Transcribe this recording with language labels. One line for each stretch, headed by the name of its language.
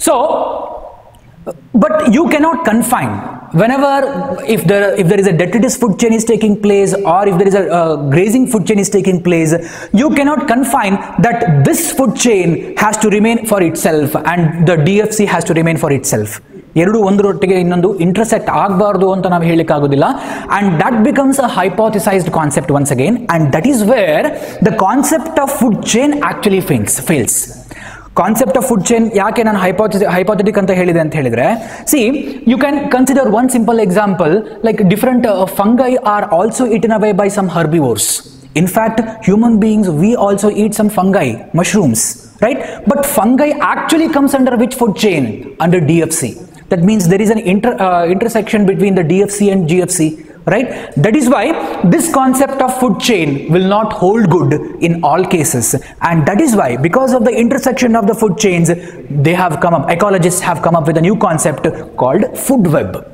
English: So, but you cannot confine whenever if there is a detritus food chain is taking place, or if there is a grazing food chain is taking place, you cannot confine that this food chain has to remain for itself and the DFC has to remain for itself.
Kannada: ಎರಡು ಒಂದರೊಟ್ಟಿಗೆ ಇನ್ನೊಂದು intersect ಆಗಬಾರ್ದು ಅಂತ ನಾವು ಹೇಳಲಿಕ್ಕೆ ಆಗೋದಿಲ್ಲ.
English: And that becomes a hypothesised concept once again, and that is where the concept of food chain actually fails. Concept of food chain
Kannada: ಯಾಕೆ ನಾನು ಹೈಪೋಥೆಟಿಕ್ ಅಂತ ಹೇಳಿದೆ ಅಂತ ಹೇಳಿದ್ರೆ,
English: See you can consider one simple example, like different fungi are also eaten away by some herbivores. In fact human beings we also eat some fungi mushrooms, right? But fungi actually comes under which food chain? Under DFC. That means there is an intersection between the DFC and GFC, right? That is why this concept of food chain will not hold good in all cases. And that is why, because of the intersection of the food chains, they have come up, ecologists have come up with a new concept called food web.